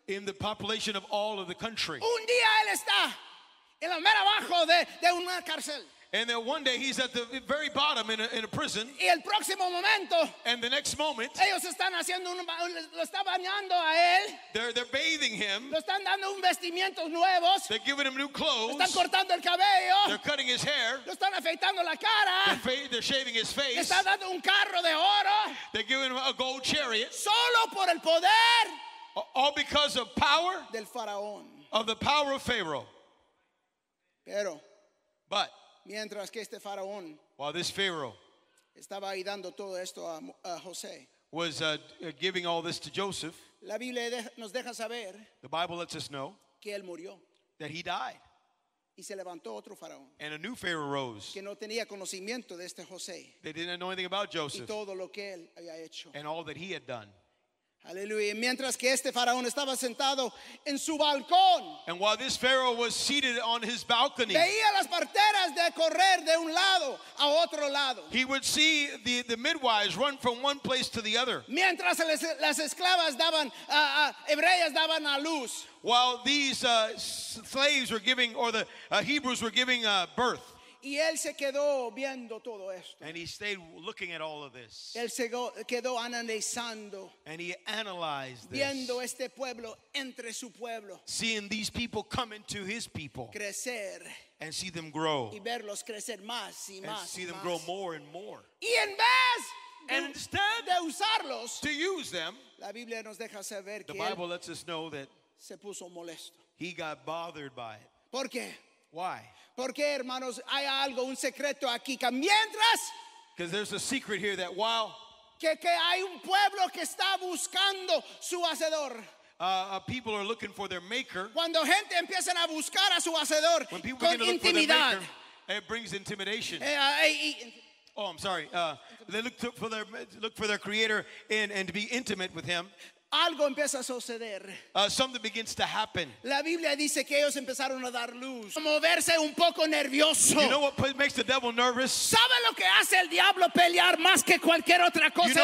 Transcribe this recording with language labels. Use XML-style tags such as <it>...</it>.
<en>in the population of all of the country.</en> <es>Un día él está en la mera abajo de una cárcel.</es> <en>And then one day he's at the very bottom in a prison.</en> <es>Y el próximo momento,</es> <en>and the next moment,</en> <es>ellos están haciendo lo está bañando a él.</es> <en>They're bathing him.</en> <es>Lo están dando un vestimiento nuevos.</es> <en>They're giving him new clothes.</en> <es>Están cortando el cabello.</es> <en>They're cutting his hair.</en> <es>Lo están afeitando la cara.</es> <en>They're shaving his face.</en> <es>Están dando un carro de oro.</es> <en>They're giving him a gold chariot.</en> <es>Solo por el poder.</es> <en>All because of power.</en> <es>Del faraón.</es> <en>Of the power of Pharaoh.</en> <es>Pero.</es> <en>But.</en> <es>Mientras que este faraón,</es> <en>while this pharaoh</en> <es>estaba ahí dando todo esto a José,</es> <en>was giving all this to Joseph,</en> <es>la Biblia nos deja saber,</es> <en>the Bible lets us know</en> <es>que él murió,</es> <en>that he died,</en> <es>y se levantó otro faraón,</es> <en>and a new pharaoh rose,</en> <es>que no tenía conocimiento de este José,</es> <en>they didn't know anything about Joseph,</en> <es>y todo lo que él había hecho,</es> <en>and all that he had done.</en> <es>Aleluya. Mientras que este faraón estaba sentado en su balcón.</es> <en>And while this pharaoh was seated on his balcony.</en> <es>Veía las parteras de correr de un lado a otro lado.</es> <en>He would see the midwives run from one place to the other.</en> <es>Mientras las esclavas daban hebreas daban a luz.</es> <en>While these slaves were giving or the Hebrews were giving birth.</en> <es>Y él se quedó viendo todo esto.</es> <en>And he stayed looking at all of this.</en> <es>Él se quedó analizando.</es> <en>And he analyzed this.</en> <es>Viendo este pueblo entre su pueblo.</es> <en>Seeing these people come into his people.</en> <es>Crecer.</es> <en>And see them grow.</en> <es>Y verlos crecer más y más.</es> <en>And see them grow more and more.</en> <es>Y en vez</es> <en>and instead</en> <es>de usarlos,</es> <en>to use them,</en> <es>la Biblia nos deja saber</es> <en>the Bible lets us know that</en> <es>se puso molesto.</es> <en>He got bothered by it.</en> <es>¿Por qué?</es> <en>Why?</en> <es>Porque hermanos, hay algo, un secreto aquí. Mientras,</es> <en>because there's a secret here that while</en> <es>que hay un pueblo que está buscando su hacedor.</es> <en>People are looking for their maker.</en> <es>Cuando gente empiezan a buscar a su hacedor,</es> <en>when people</en> <es>con</es> <en>begin to</en> <es>intimidad,</es> <en>look for their maker, it brings intimidation. Oh, I'm sorry. They look for their creator and to be intimate with him.</en> <es>Algo empieza a suceder.</es> <en>Something begins to happen.</en> <es>La Biblia dice que ellos empezaron a dar luz. A moverse un poco nervioso.</es> <en>You know what makes the devil nervous?</en> <es>¿Sabe lo que hace el diablo pelear más que cualquier otra cosa</es>